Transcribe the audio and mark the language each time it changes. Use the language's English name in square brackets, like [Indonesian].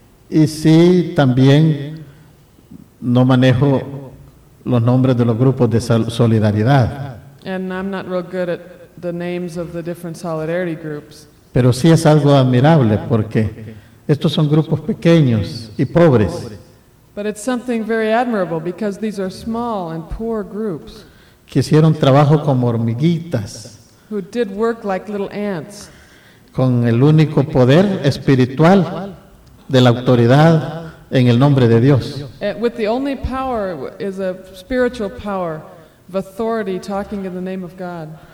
[Spanish] Y sí, también no manejo los nombres de los grupos de solidaridad. [English] And I'm not real good at the names of the different solidarity groups. [Spanish] Pero sí es algo admirable porque estos son grupos pequeños y pobres. [English] But it's something very admirable because these are small and poor groups. [Spanish] Que hicieron trabajo como hormiguitas. [English] Who did work like little ants. [Spanish] Con el único poder espiritual de la autoridad en el nombre de Dios. [English] With the only power is a spiritual power of authority talking in the name of God.